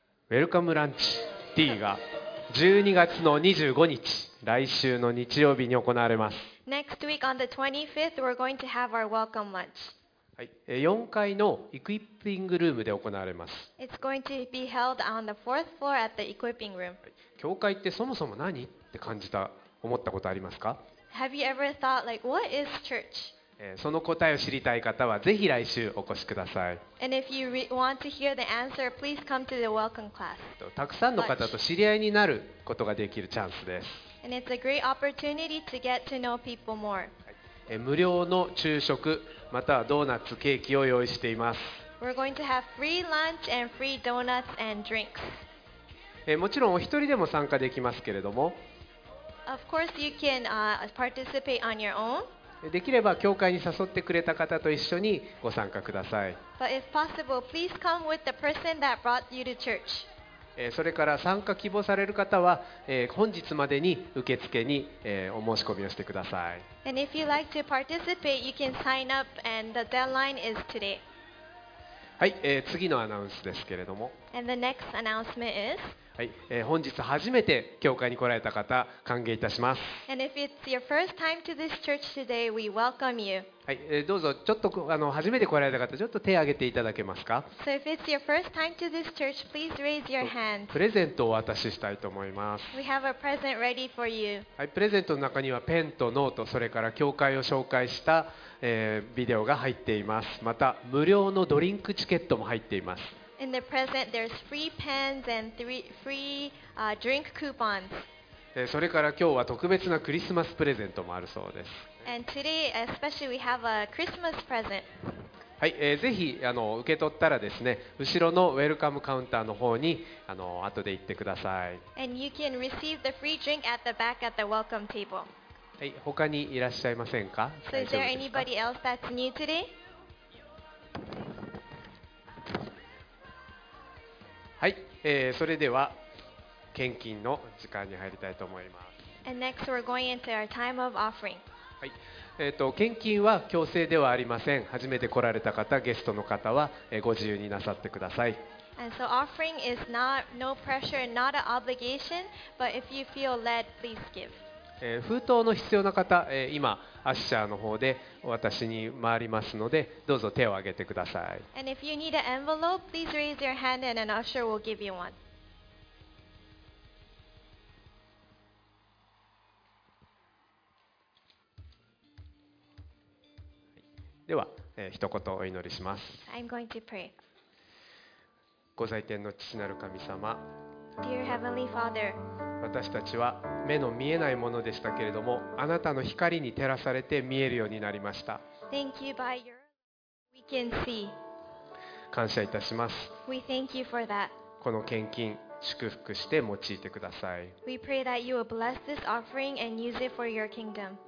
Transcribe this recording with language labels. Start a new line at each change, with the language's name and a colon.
Japanese: ウェルカムランチ D が12月の25日、来週の日曜日に行われます。
English: Next week on the 25th, we're going to have our welcome lunch.
Japanese: 4階のエクイッピングルームで行われます。
English: It's going to be held on the fourth floor at the equipping room.
Japanese: 教会ってそもそも何って感じた、思ったことありますか？
English: Have you ever thought, like, what is church?
Japanese: その答えを知りたい方はぜひ来週お越しください。
English: And if you want to hear the answer, please come to the welcome class.
Japanese: たくさんの方と知り合いになることができるチャンスです。
English: And it's a great opportunity to get to know people more.
Japanese: 無料の昼食またはドーナツ、ケーキを用意しています。
English: We're going to have free lunch and free donuts and drinks.
Japanese: もちろんお一人でも参加できますけれども。
English: Of course, you can participate on your own.
Japanese: できれば教会に誘ってくれた方と一緒にご参加ください。
English: But if possible, please come with the person that brought you to church.
Japanese: それから参加希望される方は本日までに受付にお申し込みをしてください。
English: And if you like to participate, you can sign up and the deadline is today.
Japanese: はい、次のアナウンスですけれども。
English: And the next announcement is?
Japanese: はい、本日初めて教会に来られた方歓迎いたします。
English: And if it's your first time to this church today, we welcome you.、
Japanese: はい、どうぞちょっと初めて来られた方ちょっと手を挙げていただけますか。
English: So if it's your first time to this church, please raise your hand.
Japanese: プレゼントをお渡ししたいと思います。
English: We have a present ready for you.、
Japanese: はい、プレゼントの中にはペンとノート、それから教会を紹介した、ビデオが入っています。また無料のドリンクチケットも入っています。
English: In the present, there's free pens and free drink coupons.
Japanese: それから今日は特別なクリスマスプレゼントもあるそうです。
English: And today, especially, we have a Christmas present.
Japanese: はい、ぜひ受け取ったらですね、後ろのウェルカムカウンターの方に後で行ってください。
English: And you can receive the free drink at the back at the welcome table.
Japanese: はい、他にいらっしゃいませんか？
English: So is there anybody else that's new today?
Japanese: はい、それでは献金の時間に入りたいと思います。
English: And next we're going into our time of offering.
Japanese: はい、献金は強制ではありません。初めて来られた方、ゲストの方は、ご自由になさってください。
English: And so offering is not, no pressure, not an obligation, but if you feel led, please give.
Japanese: 封筒の必要な方、今アッシャーの方で私に回りますので、どうぞ手を挙げてください。
English: And if you need an envelope, please raise your hand and an usher will give you one.
Japanese: では、一言お祈りします。
English: I'm going to pray.
Japanese: ご在天の父なる神様、
English: Dear Heavenly Father,
Japanese: 私たちは目の見えないものでしたけれども、あなたの光に照らされて見えるようになりました。
English: Thank you by your we can see.
Japanese: 感謝いたします。
English: We thank you for that.
Japanese: この献金祝福して用いてください。
English: We pray that you will bless this offering and use it for your kingdom.